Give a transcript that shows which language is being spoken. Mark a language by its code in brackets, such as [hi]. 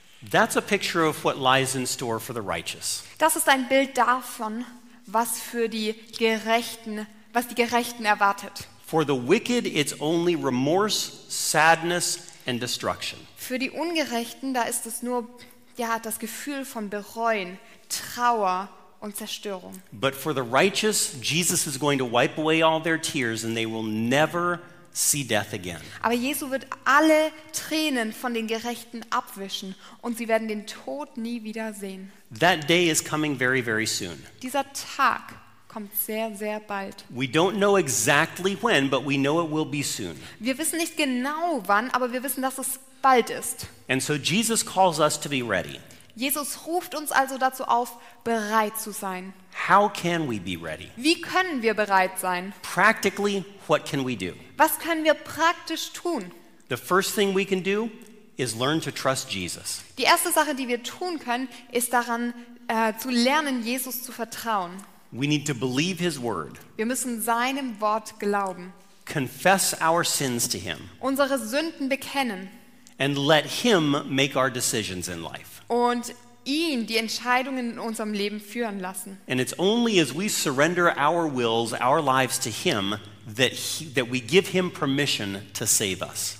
[en] That's a picture of what lies in store for the righteous. [de] Das ist ein Bild davon, was für die Gerechten, was die Gerechten erwartet. [en] For the wicked, it's only remorse, sadness and destruction. [de] Für die Ungerechten, da ist es nur ja, das Gefühl von Bereuen, Trauer und Zerstörung. [en] But for the righteous, Jesus is going to wipe away all their tears and they will never see death again. [de] Aber Jesus wird alle Tränen von den Gerechten abwischen und sie werden den Tod nie wieder sehen. [en] That day is coming very, very soon. [de] Dieser Tag kommt sehr, sehr bald. [en] We don't know exactly when, but we know it will be soon. [de] Wir wissen nicht genau wann, aber wir wissen, dass es bald ist. [en] And so Jesus calls us to be ready. [de] Jesus ruft uns also dazu auf, bereit zu sein. [en] How can we be ready? [de] Wie können wir bereit sein? [en] Practically, what can we do? [de] Was können wir praktisch tun? [en] The first thing we can do is learn to trust Jesus. [de] Die erste Sache, die wir tun können, ist daran zu lernen, Jesus zu vertrauen. [en] We need to believe his word. [de] Wir müssen seinem Wort glauben. [en] Confess our sins to him. [de] Unsere Sünden bekennen. [en] And let him make our decisions in life. [de] Und ihn die Entscheidungen in unserem Leben führen lassen. [en] And it's only as we surrender our wills, our lives to him, that we give him permission to save us.